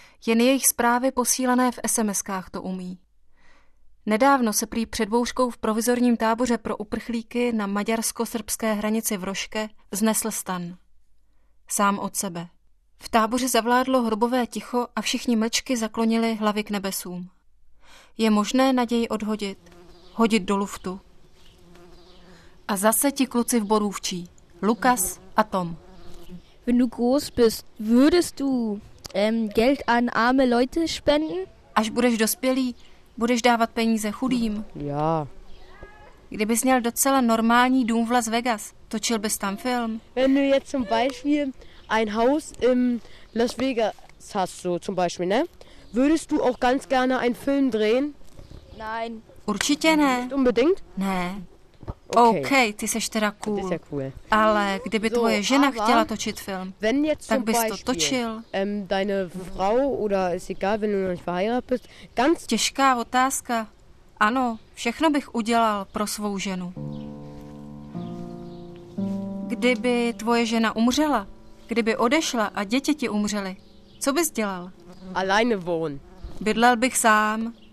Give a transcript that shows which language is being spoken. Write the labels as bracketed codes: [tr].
[cs] Jen jejich zprávy posílané v SMS-kách to umí. Nedávno se prý před bouřkou v provizorním táboře pro uprchlíky na maďarsko-srbské hranici v Roške vznesl stan. Sám od sebe. V táboře zavládlo hrobové ticho a všichni mlčky zaklonili hlavy k nebesům. Je možné naději odhodit, hodit do luftu. A zase ti kluci v Borůvčí, Lukas a Tom. [de] Wenn du groß bist, würdest du Geld an arme Leute spenden? [cs] Až budeš dospělý, budeš dávat peníze chudým. [de] Ja. [cs] Kdybys měl docela normální dům v Las Vegas, točil bys tam film. [de] Wenn du jetzt zum Beispiel ein Haus in Las Vegas hast, so zum Beispiel, ne? Würdest du auch ganz gerne einen Film drehen? Nein. [cs] Určitě ne. [de] Nicht unbedingt? [cs] Ne. Okay, ty seš teda cool. Ty seš cool. Ale kdyby tvoje žena chtěla točit film, tak bys to točil. [de] Deine Frau, oder ist egal, wenn du noch nicht verheiratet bist. Ganz [cs] těžká otázka. Ano, všechno bych udělal pro svou ženu. Kdyby tvoje žena umřela, kdyby odešla a děti ti umřely, co bys dělal? [de] Alleine wohnen. [cs] Bydlel bych sám.